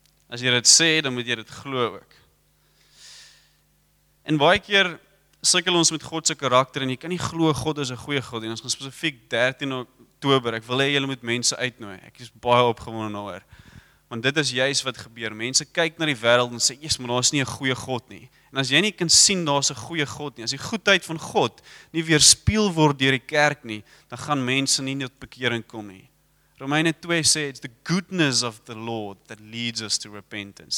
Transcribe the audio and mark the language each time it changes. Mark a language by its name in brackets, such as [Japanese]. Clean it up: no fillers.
[Afrikaans] As jy dit sê, dan moet jy dit glo ook. En baie keer sukkel ons met God se karakter en jy kan nie glo God is 'n goeie God nie. Ons gaan spesifiek 13 Oktober, ek wil hê julle moet mense uitnooi. Ek is baie opgewonde daaroor. Want dit is juist wat gebeur. Mense kyk na die wêreld en sê, "Jesus, maar daar is nie 'n goeie God nie." En as jy nie kan sien daar's 'n goeie God nie, as die goedheid van God nie weerspieël word deur die kerk nie, dan gaan mense nie tot bekering kom nie. Romeine 2 sê, [English] it's the goodness of the Lord that leads us to repentance.